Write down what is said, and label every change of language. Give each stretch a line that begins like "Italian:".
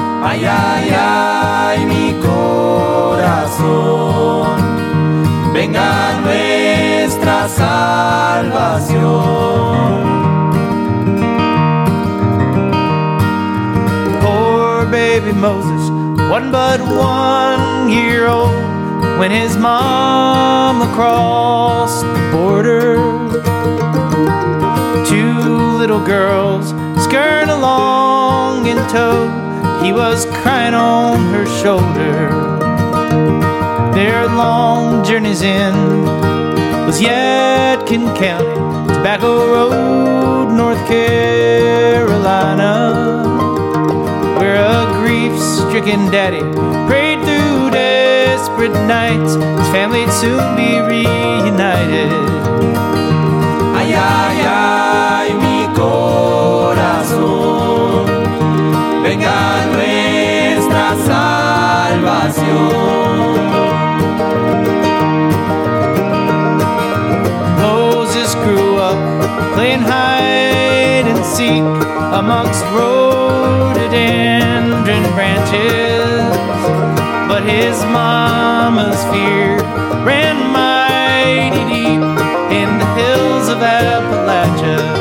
Spanish: Ay, ay, ay, mi corazón, venga nuestra salvación.
English: Baby Moses, one but 1 year old, when his mom across the border. Two little girls scurrying along in tow, he was crying on her shoulder. Their long journey's end was yet Kin County, Tobacco Road, North Carolina, where a grief-stricken daddy prayed through desperate nights his family'd soon be reunited.
Spanish: Ay, ay, ay, mi corazón, venga nuestra salvación.
English: Moses grew up playing hide and seek amongst rhododendron branches, but his mama's fear ran mighty deep in the hills of Appalachia.